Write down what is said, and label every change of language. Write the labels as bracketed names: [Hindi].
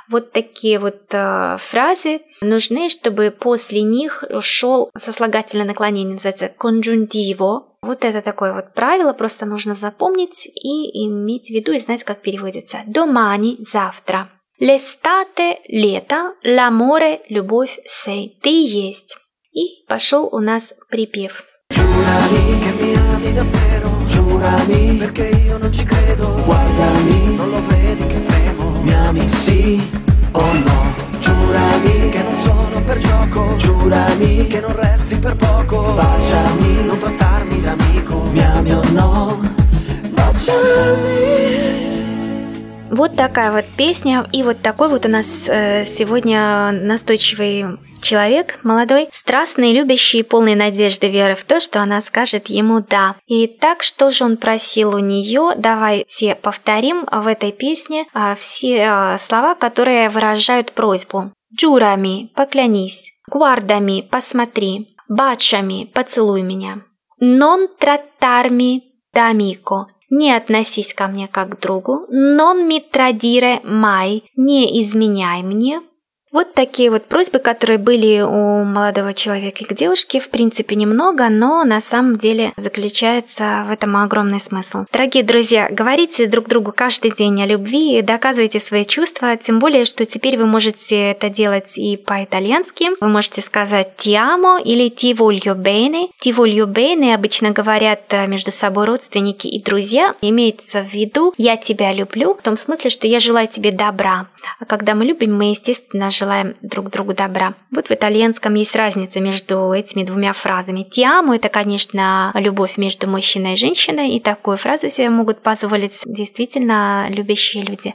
[Russian] Вот такие вот фразы нужны, чтобы после них шел сослагательное наклонение, называется congiuntivo. Вот это такое вот правило, просто нужно запомнить и иметь в виду и знать, как переводится. [Italian] Domani, [Russian] завтра. [Italian] L'estate [Russian] – лето, [Italian] l'amore [Russian] – любовь, [Italian] sei [Russian] – ты есть. И пошел у нас припев. [Italian] Giurami, che mi ami davvero, giurami, perché io non ci credo, guardami, non lo vedi che fremo, mi ami sì o no. Giurami, che non sono per gioco, giurami, che non resti per poco, baciami, non trattarmi d'amico, mi ami o no, baciami. [Russian] Вот такая вот песня, и вот такой вот у нас сегодня настойчивый человек, молодой, страстный, любящий, полный надежды, веры в то, что она скажет ему «да». Итак, что же он просил у нее? Давайте повторим в этой песне все слова, которые выражают просьбу. [Italian] «Джурами» [Russian] – «поклянись», [Italian] «гвардами» [Russian] – «посмотри», [Italian] «бачами» [Russian] – «поцелуй меня», [Italian] «нон тратарми» – «дамико». [Russian] Не относись ко мне как к другу. [Italian] Non mi tradire mai. [Russian] Не изменяй мне. Вот такие вот просьбы, которые были у молодого человека и к девушке, в принципе, немного, но на самом деле заключается в этом огромный смысл. Дорогие друзья, говорите друг другу каждый день о любви и доказывайте свои чувства, тем более, что теперь вы можете это делать и по-итальянски. Вы можете сказать [Italian] «ti amo» [Russian] или [Italian] «ti voglio bene». «Ti voglio bene» [Russian] обычно говорят между собой родственники и друзья. Имеется в виду «я тебя люблю», в том смысле, что «я желаю тебе добра». А когда мы любим, мы, естественно, желаем друг другу добра. Вот в итальянском есть разница между этими двумя фразами. [Italian] «Ti amo» [Russian] — это, конечно, любовь между мужчиной и женщиной, и такую фразу себе могут позволить действительно любящие люди.